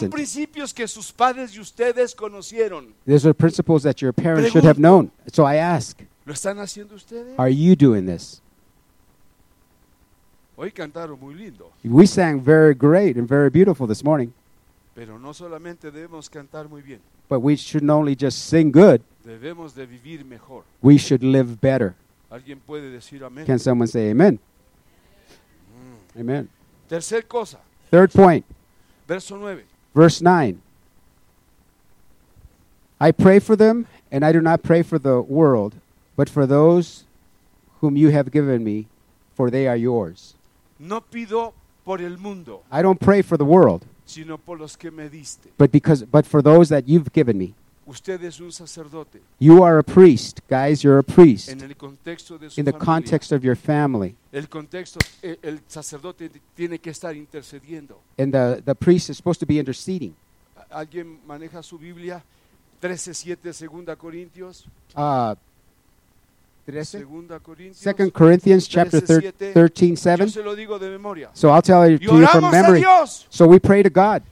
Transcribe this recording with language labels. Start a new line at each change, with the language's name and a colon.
Spanish: Son principios que sus padres y ustedes conocieron.
English: These are principles that your parents
Spanish: Pregunto,
English: should have known. So I ask.
Spanish: ¿Lo están haciendo ustedes?
English: Are you doing this?
Spanish: Hoy cantaron muy lindo.
English: We sang very great and very beautiful this morning.
Spanish: Pero no solamente debemos cantar muy bien.
English: But we shouldn't only just sing good.
Spanish: Debemos de vivir mejor.
English: We should live better.
Spanish: ¿Alguien puede decir amén?
English: Can someone say amen? Amen.
Spanish: Tercer cosa.
English: Third point.
Spanish: Verso 9.
English: Verse 9. I pray for them, and I do not pray for the world, but for those whom you have given me, for they are yours.
Spanish: No pido por el mundo.
English: I don't pray for the world.
Spanish: Sino por los que me diste.
English: But for those that you've given me.
Spanish: Usted es un sacerdote.
English: You are a priest, guys. You're a priest.
Spanish: En el contexto de su
English: In the
Spanish: familia.
English: Context of your family.
Spanish: El contexto, el sacerdote tiene que estar intercediendo.
English: And the priest is supposed to be interceding.
Spanish: ¿Alguien maneja su Biblia? 13:7, Segunda Corintios.
English: 2 Corinthians chapter 13:7.
Spanish: Yo se lo digo de memoria.
English: So I'll tell it to you from memory. So we pray to God.